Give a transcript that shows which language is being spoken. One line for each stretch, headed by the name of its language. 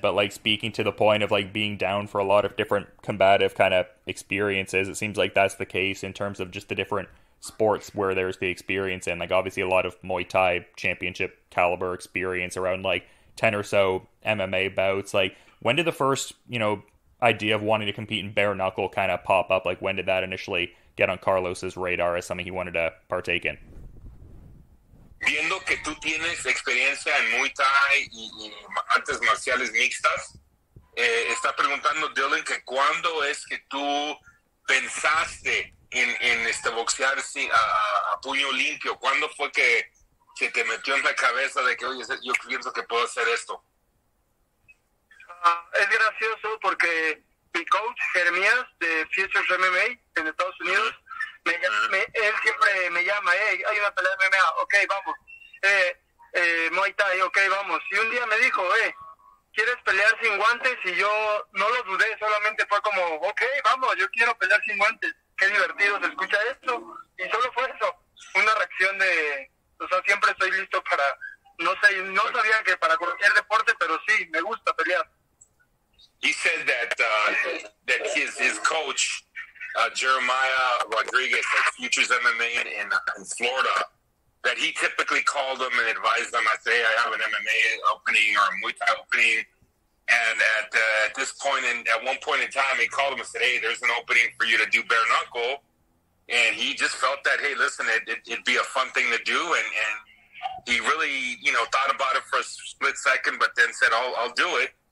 English: But, like, speaking to the point of, like, being down for a lot of different combative kind of experiences, it seems like that's the case in terms of just the different sports where there's the experience in, like, obviously a lot of Muay Thai championship caliber experience around like 10 or so MMA bouts. Like, when did the first idea of wanting to compete in bare knuckle kind of pop up? Like, when did that initially get on Carlos's radar as something he wanted to partake in?
Spanish: Viendo que tú tienes experiencia en Muay Thai y artes marciales mixtas, está preguntando Dylan que cuando es que tú pensaste en este boxear a puño limpio. ¿Cuándo fue que se te metió en la cabeza de que, oye, yo pienso que puedo hacer esto? Es gracioso porque mi coach, Jeremías, de Futures MMA en Estados Unidos, él siempre me llama, hey, hay una pelea de MMA, okay, vamos. Muay Thai, okay, vamos. Y un día me dijo, ¿quieres pelear sin guantes? Y yo no lo dudé, solamente fue como, okay, vamos, yo quiero pelear sin guantes. Qué divertido, se escucha esto. Y solo fue eso, una reacción de, o sea, siempre estoy listo para, no sé, no sabía que para cualquier deporte, pero sí, me gusta pelear.
English: He said that that his coach Jeremiah Rodriguez at Futures MMA in Florida, that he typically called him and advised him. I say I have an MMA opening or a Muay Thai opening, and at one point in time, he called him and said, "Hey, there's an opening for you to do bare knuckle," and he just felt that, hey, listen, it'd be a fun thing to do, and he really, you know, thought about it for a split second, but then said, "I'll do it."